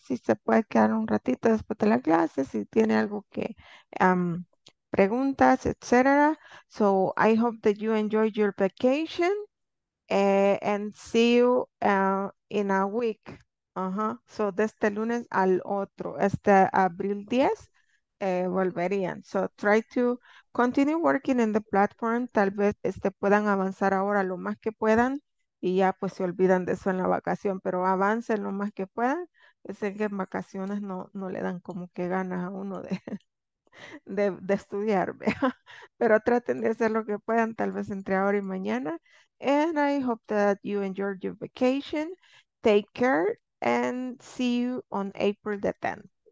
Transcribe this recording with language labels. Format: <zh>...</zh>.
<es>Si se puede quedar un ratito después de la clase, si tiene algo que preguntas, etc.</es> <en>So I hope that you enjoy your vacation and see you in a week.</en> <es>So desde el lunes al otro, hasta abril 10. Volverían.</es> <en>So try to continue working in the platform.</en> <es>Tal vez puedan avanzar ahora lo más que puedan y ya pues se olvidan de eso en la vacación, pero avancen lo más que puedan. Sé que en vacaciones no le dan como que ganas a uno de estudiar, ¿verdad? Pero traten de hacer lo que puedan, tal vez entre ahora y mañana.</es> <en>And I hope that you enjoy your vacation. Take care and see you on April the 10th.</en>